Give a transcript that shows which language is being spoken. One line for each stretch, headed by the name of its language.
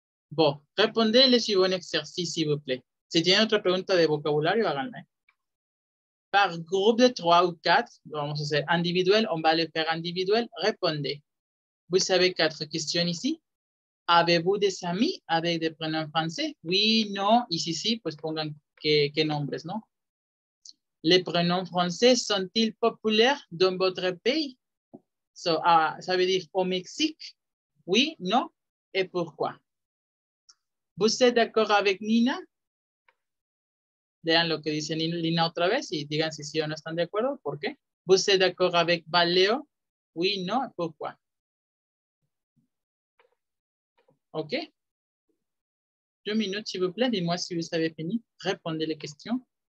Spanish: Bon, respondele si buen ejercicio,
French: s'il vous plaît.
Spanish: Si tienen otra pregunta de vocabulario, háganla.
French: Par groupe de 3
Spanish: o 4, lo vamos a hacer individual, on va a hacer individual, responde.
French: Vous avez 4 questions ici. Avez-vous des amis avec des prénoms français? Oui, non.
Spanish: Y si sí, pues pongan qué nombres, ¿no?
French: Les prénoms français sont-ils populaires dans votre pays? So, ça veut dire au Mexique? Oui, non. Et pourquoi? Vous êtes d'accord avec Nina?
Spanish: Vean lo que dice Nina otra vez y digan si sí o no están de acuerdo. ¿Por qué?
French: Vous êtes d'accord avec Valéo? Oui, non. Et pourquoi? Ok. 2 minutes, s'il vous plaît. Dites-moi si vous avez fini. Répondez les questions.